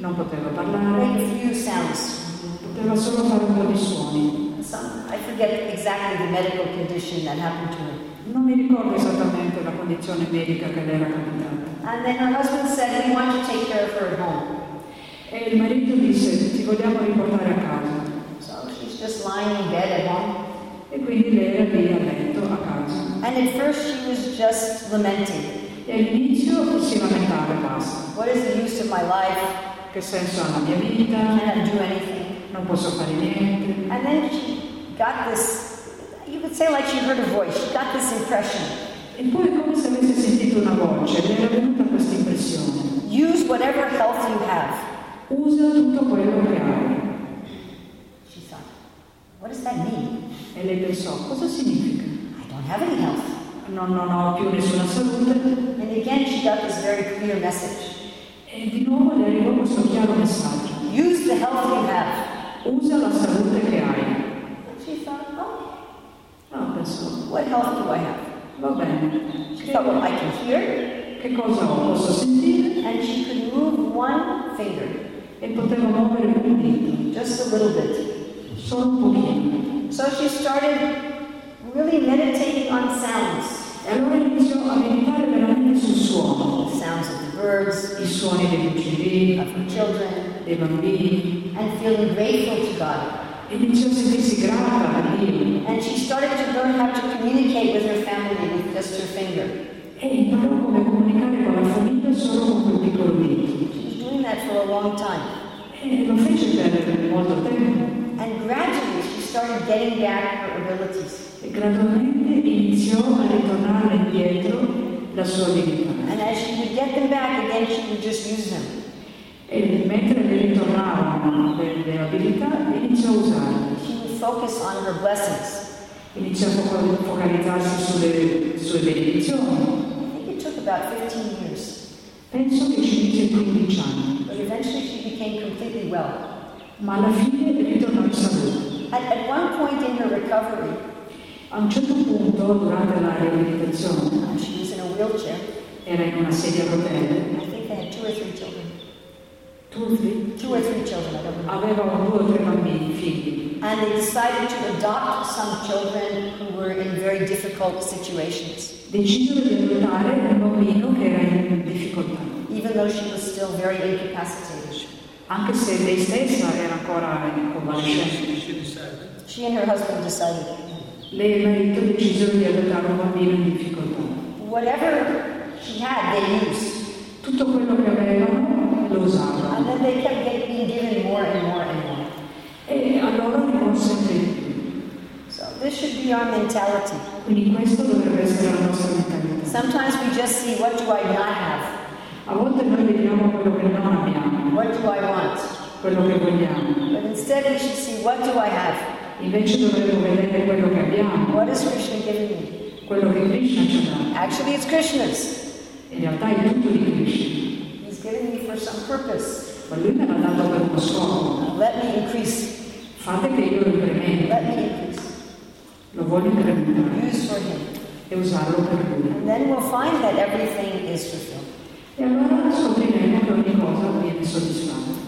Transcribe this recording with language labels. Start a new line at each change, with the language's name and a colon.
Italian: Non poteva parlare.
English: A few sounds.
Italian: Poteva solo fare un po' di suoni.
English: I forget exactly the medical condition that happened to her.
Italian: Non mi ricordo esattamente la condizione medica che le era capitata.
English: And then her husband said, "We want to take care of her at home."
Italian: E il marito disse, "Ti vogliamo riportare a casa."
English: So she's just lying in bed at home.
Italian: E quindi lei era lì a letto a casa.
English: And at first she was just lamenting.
Italian: E all'inizio si lamentava basta.
English: What is the use of my life?
Italian: Che senso ha la mia vita?
English: I cannot do anything.
Italian: Non posso fare niente.
English: And then she got this, you could say like she heard a voice, she got this impression.
Italian: E poi come se avesse sentito una voce, le era venuta questa impressione.
English: Use whatever health you have.
Italian: Usa tutto quello che hai.
English: She thought, what does that mean?
Italian: E lei pensò, cosa significa?
English: I don't have any health.
Italian: Non ho più nessuna salute.
English: And again she got this very clear message.
Italian: E di nuovo le arrivò questo chiaro messaggio.
English: Use the health you have.
Italian: Usa la salute che hai.
English: And she thought, oh.
Italian: No, pensò.
English: What health do I have?
Italian: Va bene.
English: She thought, well, I can hear.
Italian: Che cosa ho? Posso sentire?
English: And she could move one finger.
Italian: E poteva muovere un dito.
English: Just a little bit.
Italian: Solo un pochino.
English: So she started really meditating on sounds.
Italian: Allora iniziò a meditare veramente sul suono.
English: The sounds of the birds.
Italian: I suoni degli uccelli.
English: Of the children.
Italian: Dei bambini.
English: And feeling grateful to God.
Italian: E iniziò a sentirsi grata a Dio.
English: And she started to learn how to communicate with her family with just her finger.
Italian: E imparò come comunicare con la famiglia solo con quel piccolo dito.
English: She was doing that for a long time.
Italian: E lo fece per molto tempo.
English: And gradually she started getting back her abilities.
Italian: E gradualmente iniziò a ritornare indietro la sua abilità.
English: And as she would get them back again, she would just use them.
Italian: E mentre le ritornavano delle abilità, inizia a usarle.
English: She would focus on her blessings.
Italian: Inizia a focalizzarsi sulle sue benedizioni.
English: About 15 years.
Italian: Penso che ci mise 15 anni.
English: But eventually she became completely well.
Italian: Ma alla fine ritornò in salute.
English: At one point in her recovery,
Italian: a un certo punto durante la riabilitazione,
English: she was in a wheelchair.
Italian: Era in una sedia a rotelle.
English: I think they had two or three children. Two or three children. I don't know.
Italian: Aveva due o tre bambini figli.
English: And they decided to adopt some children who were in very difficult situations.
Italian: Decisero di adottare un bambino che era in difficoltà.
English: Even though she was still very incapacitated.
Italian: Anche se lei stessa era ancora in convalescenza.
English: She and her husband decided.
Italian: Lei e il marito decisero di adottare un bambino in difficoltà.
English: Whatever she had, they used.
Italian: Tutto quello che avevano lo usavano.
English: And then they kept getting given more and more and more.
Italian: E allora ne consente.
English: This should be our mentality.
Italian: Quindi questo dovrebbe essere la nostra mentalità.
English: Sometimes we just see what do I not have.
Italian: A volte noi vediamo quello che non abbiamo.
English: What do I want?
Italian: Quello che vogliamo.
English: But instead we should see what do I have.
Italian: Invece dovremmo vedere quello che abbiamo.
English: What is Krishna giving me?
Italian: Quello che Krishna ci dà.
English: Actually it's Krishna's.
Italian: In realtà è tutto di Krishna.
English: He's giving me for some purpose.
Italian: Ma lui me l'ha dato per uno scopo.
English: Let me increase.
Italian: Fate che io incrementi.
English: Let me increase.
Italian: Lo voglio incrementare e usarlo per lui.
English: And then we'll find that everything is fulfilled.
Italian: E allora scopriremo che ogni cosa viene soddisfatta.